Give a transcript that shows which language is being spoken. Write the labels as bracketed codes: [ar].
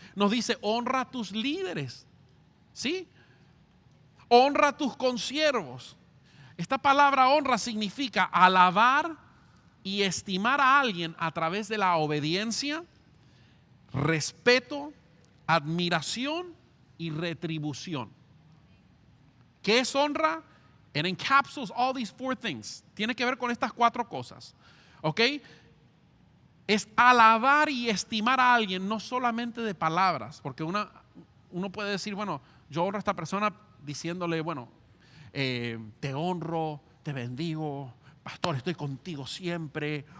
[es] Nos dice, honra a tus líderes, ¿sí? Honra a tus consiervos. Esta palabra honra significa alabar y estimar a alguien a través de la obediencia, respeto, admiración y retribución. ¿Qué es honra? [en] It encapsulates all these four things. [es] Tiene que ver con estas cuatro cosas. ¿Ok? Es alabar y estimar a alguien, no solamente de palabras. Porque uno puede decir, bueno, yo honro a esta persona diciéndole, bueno, te honro, te bendigo, pastor, estoy contigo siempre.